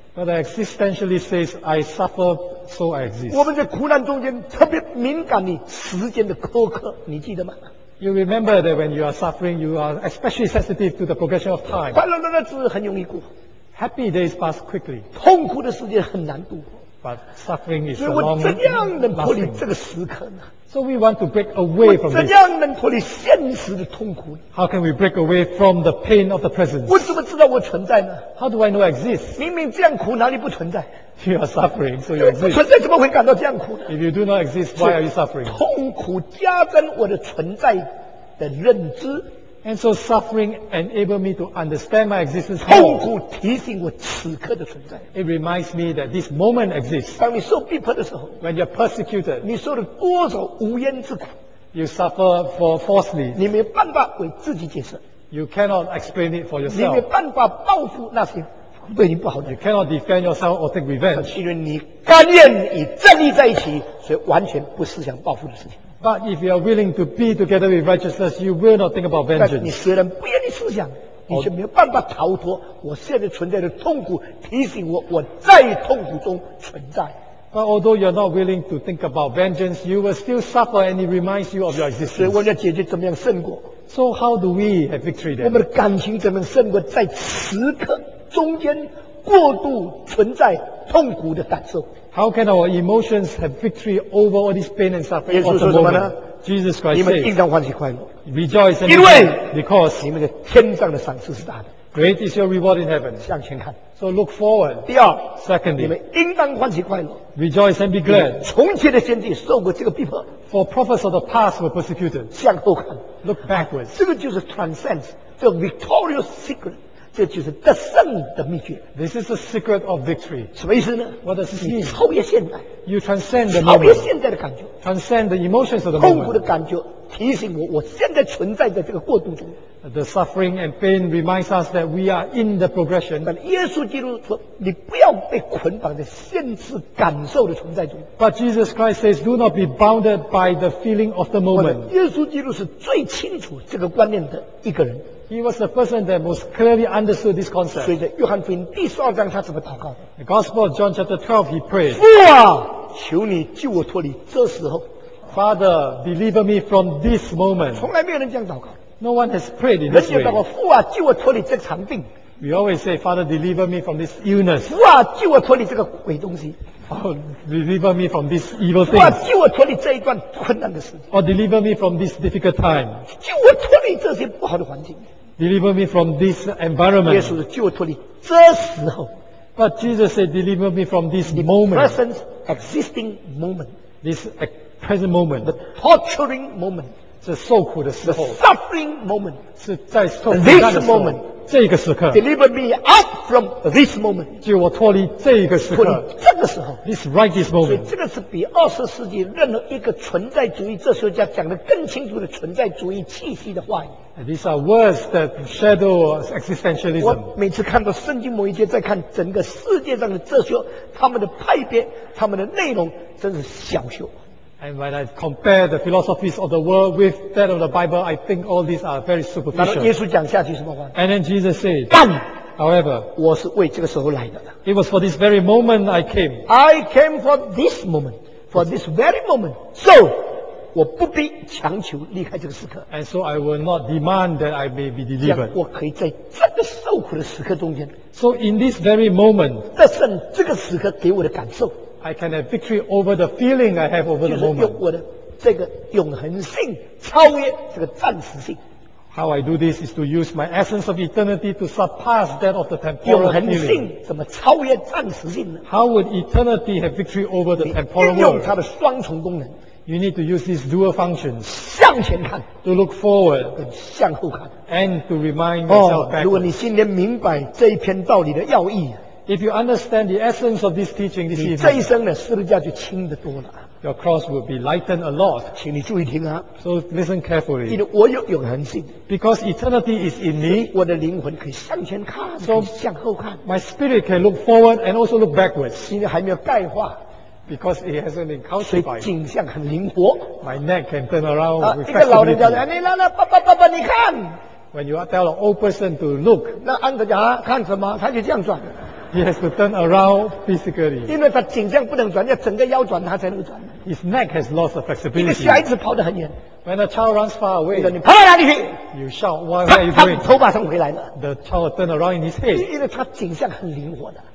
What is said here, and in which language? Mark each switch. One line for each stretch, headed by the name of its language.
English: But the existentialist says, I suffer, so I exist.
Chinese: 我们在苦难中间特别敏感的时间的苛刻，你记得吗？
English: You remember that when you are suffering, you are especially sensitive to the progression of time.
Chinese: 快乐的日子很容易过。
English: Happy days pass quickly.
Chinese: 痛苦的时间很难度过。
English: But suffering is long
Chinese: 所以我怎样能脱离这个时刻呢？
English: So we want to break away from this.
Chinese: 我怎样能脱离现实的痛苦呢？
English: How can we break away from the pain of the present?
Chinese: 我怎么知道我存在呢？
English: How do I know I exist?
Chinese: 明明这样苦，哪里不存在？
English: You are suffering, so you exist.
Chinese: 不存在怎么会感到这样苦呢？
English: If you do not exist, why are you suffering?
Chinese: 痛苦加增我的存在的认知。
English: And so suffering enable me to understand my existence.
Chinese: 痛苦提醒我此刻的存在。
English: It reminds me that this moment exists.
Chinese: 当你受逼迫的时候。
English: When you're persecuted.
Chinese: 你受了多少无言之苦。
English: You suffer for falsely.
Chinese: 你没办法为自己解释。
English: You cannot explain it for yourself.
Chinese: 你没办法报复那些对你不好的。
English: You cannot defend yourself or take revenge.
Chinese: 因为你甘愿与正义在一起，所以完全不思想报复的事情。
English: But if you are willing to be together with righteousness, you will not think about vengeance.
Chinese: 你虽然不愿意思想，你却没有办法逃脱我现在存在的痛苦，提醒我我在痛苦中存在。
English: But although you are not willing to think about vengeance, you will still suffer, and it reminds you of your existence.
Chinese: 所以我们要解决怎么样胜过。
English: So how do we have victory then?
Chinese: 我们的感情怎么样胜过在此刻中间过度存在痛苦的感受？
English: How can our emotions have victory over all this pain and suffering at the moment? Jesus Christ says,
Chinese: 你们应当欢喜快乐。
English: Rejoice and be because
Chinese: 你们的天上的赏赐是大的。
English: Great is your reward in heaven.
Chinese: 向前看。
English: So look forward.
Chinese: 第二
English: Secondly,
Chinese: 你们应当欢喜快乐。
English: Rejoice and be glad.
Chinese: 从前的先知受过这个逼迫。
English: For prophets of the past were persecuted.
Chinese: 向后看。
English: Look backwards.
Chinese: 这个就是
English: transcend, the victorious secret.
Chinese: 这就是得胜的秘诀。
English: This is the secret of victory.
Chinese: 什么意思呢？
English: What does it mean?
Chinese: 你超越现在。
English: You transcend the moment.
Chinese: 超越现在的感觉。
English: Transcend the emotions of the moment.
Chinese: 痛苦的感觉提醒我，我现在存在在这个过渡中。
English: The suffering and pain reminds us that we are in the progression.
Chinese: 但耶稣基督说，你不要被捆绑在现世感受的存在中。
English: But Jesus Christ says, do not be bounded by the feeling of the moment.
Chinese: 耶稣基督是最清楚这个观念的一个人。
English: He was the person that most clearly understood this concept.
Chinese: 所以在约翰福音第十二章，他怎么祷告的
English: ？The Gospel of John chapter 12, he prayed.
Chinese: 父啊，求你救我脱离这时候。
English: Father, deliver me from this moment.
Chinese: 从来没有人这样祷告。
English: No one has prayed in this way.
Chinese: 人就祷告父啊，救我脱离这场病。
English: We always say, Father, deliver me from this illness.
Chinese: 父啊，救我脱离这个鬼东西。
English: Oh, deliver me from this evil thing.
Chinese: 父啊，救我脱离这一段困难的事。
English: Or deliver me from this difficult time.
Chinese: 救我脱离这些不好的环境。
English: Deliver me from this environment.
Chinese: 耶稣说，救我脱离这时候。
English: But Jesus said, deliver me from this moment. The present existing moment. This present moment. The torturing moment.
Chinese: 是受苦的时候。
English: The suffering moment.
Chinese: 是在受苦的时候。
English: This moment.
Chinese: 这个时刻。
English: Deliver me out from this moment.
Chinese: 救我脱离这个时刻。脱离这个时候。
English: This right this moment.
Chinese: 所以这个是比二十世纪任何一个存在主义哲学家讲的更清楚的存在主义气息的话语。
English: And these are words that shadow existentialism.
Chinese: 我每次看到圣经某一节，在看整个世界上的哲学，他们的派别，他们的内容，真是小学。
English: And when I compare the philosophies of the world with that of the Bible, I think all these are very superficial.
Chinese: 然后耶稣讲下去什么话？
English: And then Jesus said,
Chinese: 但
English: However,
Chinese: 我是为这个时候来的。
English: It was for this very moment I came. I came for this moment, for this very moment. So.
Chinese: 我不必强求离开这个时刻。
English: And so I will not demand that I may be delivered.
Chinese: 我可以在这个受苦的时刻中间。
English: So in this very moment,
Chinese: 得胜这个时刻给我的感受。
English: I can have victory over the feeling I have over the moment.
Chinese: 就是用我的这个永恒性超越这个暂时性。
English: How I do this is to use my essence of eternity to surpass that of the temporal feeling.
Chinese: 永恒性怎么超越暂时性呢？
English: How would eternity have victory over the temporal world?
Chinese: 你运用它的双重功能。
English: You need to use these dual functions.
Chinese: 向前看
English: to look forward,
Chinese: 跟向后看
English: and to remind yourself back.
Chinese: 如果你今天明白这一篇道理的要义，
English: if you understand the essence of this teaching this evening,
Chinese: 你这一生的十字架就轻得多了。
English: Your cross will be lightened a lot.
Chinese: 请你注意听啊。
English: So listen carefully.
Chinese: 因为我有永恒性。
English: Because eternity is in me.
Chinese: 我的灵魂可以向前看，
English: so,
Chinese: 可以向后看。
English: My spirit can look forward and also look backwards.
Chinese: 因为还没有钙化。
English: Because it hasn't been calcified.
Chinese: 所以景象很灵活。
English: My neck can turn around with flexibility.
Chinese: 一个老人家说：“你来来，爸爸爸爸，你看。”
English: When you tell an old person to look,
Chinese: 那安德讲啊，看什么？他就这样转。
English: He has to turn around physically.
Chinese: 因为他景象不能转，要整个腰转他才能转。
English: His neck has lost the flexibility.
Chinese: 一个小孩子跑得很远。
English: When a child runs far away,
Chinese: 你跑到哪里去？
English: You shout, "Why are you going?"
Chinese: 头马上回来了。
English: The child turned around in his head.
Chinese: 因为他景象很灵活的。